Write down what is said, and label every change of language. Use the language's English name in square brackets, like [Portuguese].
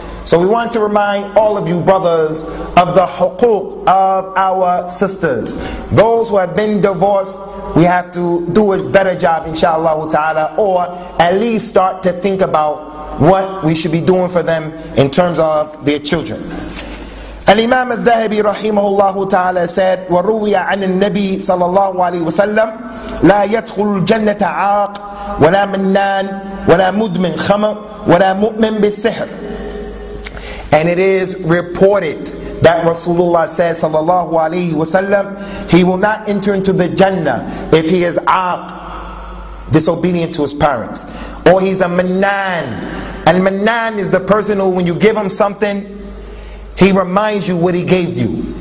[English] So we want to remind all of you brothers of the huquq of our sisters. Those who have been divorced, we have to do a better job, inshallah ta'ala, or at least start to think about what we should be doing for them in terms of their children. Al-Imam al-Dhahabi rahimahullah ta'ala said, [Arabic] وَرُوِيَ عَنِ النَّبِيِّ صَلَى اللَّهُ عَلَيْهِ وَسَلَّمْ لَا يَدْخُلُ الْجَنَّةَ عَاقٍ وَلَا مَنَّانٍ وَلَا مُدْمِنْ خَمَرٍ وَلَا مُؤْمِنْ بِالسِّحْرِ. [English] And it is reported that Rasulullah says, sallallahu alayhi wa sallam, he will not enter into the Jannah if he is aq, disobedient to his parents. Or he's a mannan. And mannan is the person who, when you give him something, he reminds you what he gave you.